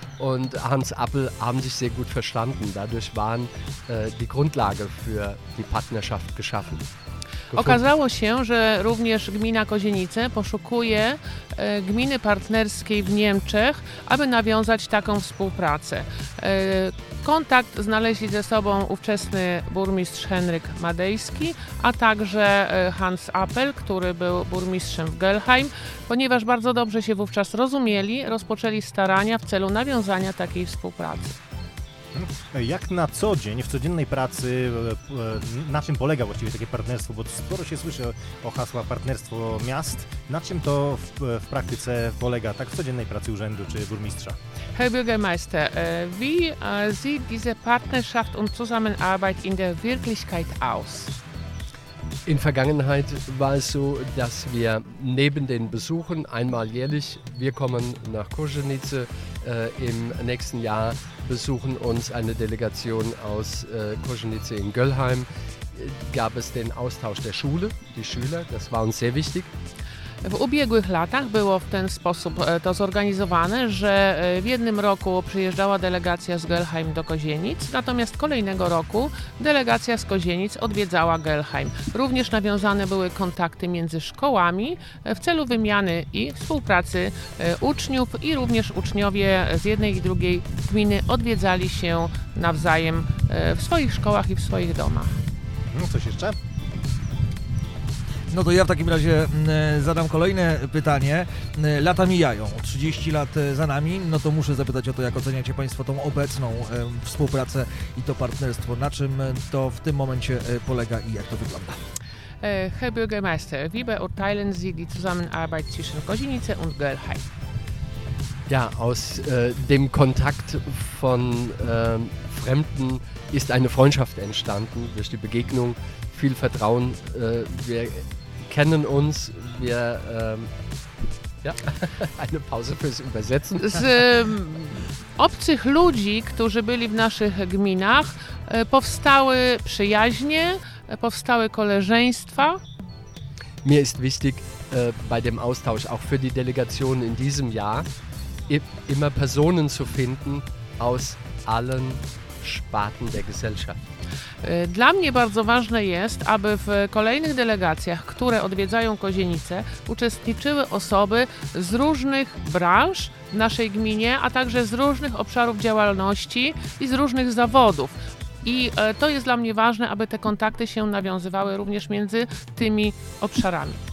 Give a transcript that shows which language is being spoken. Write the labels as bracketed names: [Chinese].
[German] und Hans Appel haben sich sehr gut verstanden. Dadurch waren die Grundlage für die Partnerschaft geschaffen. [Polish] Okazało się, że również gmina Kozienice poszukuje gminy partnerskiej w Niemczech, aby nawiązać taką współpracę. Kontakt znaleźli ze sobą ówczesny burmistrz Henryk Madejski, a także Hans Appel, który był burmistrzem w Gelheim. Ponieważ bardzo dobrze się wówczas rozumieli, rozpoczęli starania w celu nawiązania takiej współpracy. Jak na co dzień, w codziennej pracy, na czym polega właściwie takie partnerstwo? Bo sporo się słyszy o hasła partnerstwo miast. Na czym to w praktyce polega, tak w codziennej pracy urzędu czy burmistrza? [German] Herr Bürgermeister, wie sieht diese Partnerschaft und Zusammenarbeit in der Wirklichkeit aus? In Vergangenheit war es so, dass wir neben den Besuchen einmal jährlich, wir kommen nach Kozienice, im nächsten Jahr besuchen uns eine Delegation aus Kozienice in Gelheim, gab es den Austausch der Schule, die Schüler, das war uns sehr wichtig. [Polish] W ubiegłych latach było w ten sposób to zorganizowane, że w jednym roku przyjeżdżała delegacja z Gelheim do Kozienic, natomiast kolejnego roku delegacja z Kozienic odwiedzała Gelheim. Również nawiązane były kontakty między szkołami w celu wymiany i współpracy uczniów i również uczniowie z jednej i drugiej gminy odwiedzali się nawzajem w swoich szkołach i w swoich domach. No coś jeszcze? No to ja w takim razie zadam kolejne pytanie. Lata mijają, 30 lat za nami, no to muszę zapytać o to, jak oceniacie Państwo tą obecną współpracę i to partnerstwo. Na czym to w tym momencie polega i jak to wygląda? [German] Herr Bürgermeister, wie beurteilen Sie die Zusammenarbeit zwischen Kozienice und Gelheim? Ja, aus dem Kontakt von Fremden ist eine Freundschaft entstanden durch die Begegnung. Viel Vertrauen. Wir kennen uns. Wir eine Pause fürs Übersetzen. [Polish] Z obcych ludzi, którzy byli w naszych gminach, powstały przyjaźnie, powstały koleżeństwa. [German] Mir ist wichtig bei dem Austausch auch für die Delegation in diesem Jahr immer Personen zu finden aus allen Sparten der Gesellschaft. [Polish] Dla mnie bardzo ważne jest, aby w kolejnych delegacjach, które odwiedzają Kozienice, uczestniczyły osoby z różnych branż w naszej gminie, a także z różnych obszarów działalności i z różnych zawodów. I to jest dla mnie ważne, aby te kontakty się nawiązywały również między tymi obszarami.